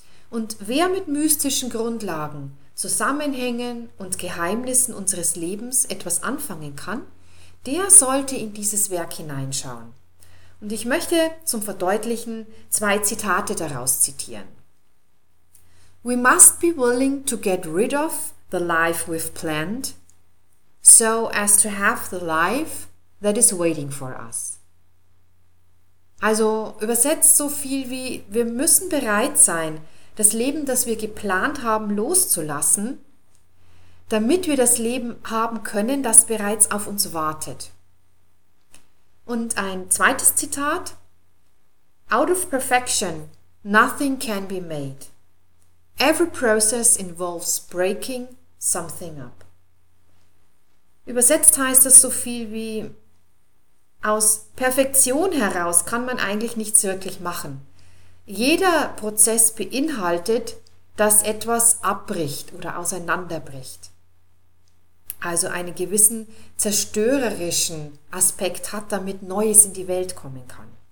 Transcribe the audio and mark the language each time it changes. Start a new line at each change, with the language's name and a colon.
German: Und wer mit mystischen Grundlagen, Zusammenhängen und Geheimnissen unseres Lebens etwas anfangen kann, der sollte in dieses Werk hineinschauen. Und ich möchte zum Verdeutlichen 2 Zitate daraus zitieren.
English: We must be willing to get rid of the life we've planned, so as to have the life that is waiting for us.
German: Also übersetzt so viel wie, wir müssen bereit sein, das Leben, das wir geplant haben, loszulassen, damit wir das Leben haben können, das bereits auf uns wartet. Und ein 2. Zitat.
English: Out of perfection, nothing can be made. Every process involves breaking something up.
German: Übersetzt heißt das so viel wie, aus Perfektion heraus kann man eigentlich nichts wirklich machen. Jeder Prozess beinhaltet, dass etwas abbricht oder auseinanderbricht. Also einen gewissen zerstörerischen Aspekt hat, damit Neues in die Welt kommen kann.